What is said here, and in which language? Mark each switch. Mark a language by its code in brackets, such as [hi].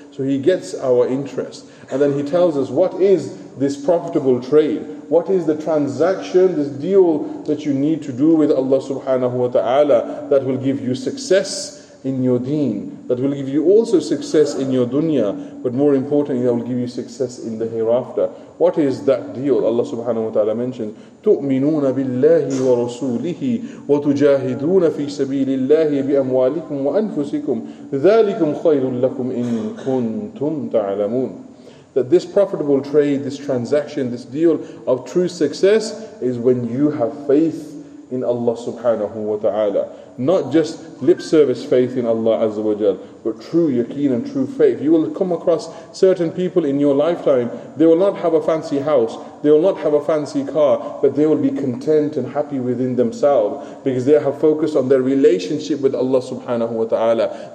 [en] So He gets our interest. And then He tells us, what is this profitable trade? What is the transaction, this deal that you need to do with Allah subhanahu wa ta'ala that will give you success in your deen, that will give you also success in your dunya, but more importantly, that will give you success in the hereafter. What is that deal? Allah subhanahu wa ta'ala mentions, [ar] تُؤْمِنُونَ بِاللَّهِ وَرَسُولِهِ وَتُجَاهِدُونَ فِي سَبِيلِ اللَّهِ بِأَمْوَالِكُمْ وَأَنفُسِكُمْ ذَلِكُمْ خَيْرٌ لَكُمْ إِن كُنْتُمْ تَعْلَمُونَ. [en] That this profitable trade, this transaction, this deal of true success is when you have faith in Allah subhanahu wa ta'ala. Not just lip service faith in Allah azza wa jal, but true yaqeen and true faith. You will come across certain people in your lifetime, they will not have a fancy house, they will not have a fancy car, but they will be content and happy within themselves because they have focused on their relationship with Allah subhanahu wa ta'ala.